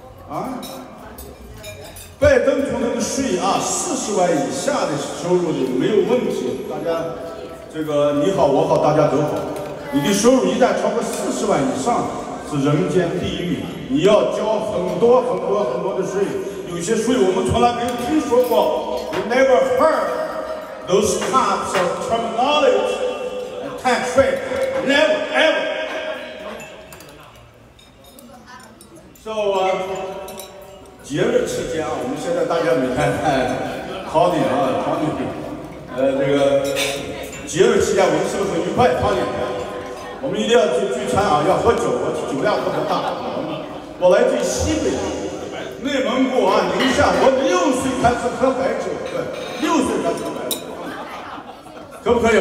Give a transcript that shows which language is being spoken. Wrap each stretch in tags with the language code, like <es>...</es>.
<zh>啊，拜登总统的税啊，40万以下的收入的没有问题，大家这个你好我好大家都好。你的收入一旦超过40万以上，是人间地狱，你要交很多很多很多的税，有些税我们从来没有听说过。</zh> <en>You never heard those types of terminology and tax rate, never ever.</en> <zh>So, 节日期间啊，我们现在大家每天考你啊，考你。这个节日期间我们是不是很愉快？考你。我们一定要去聚餐啊，要喝酒，我酒量特别大。我来自西北，内蒙古啊，宁夏，我6岁开始喝白酒，对，6岁开始喝白酒，可不可以？</zh>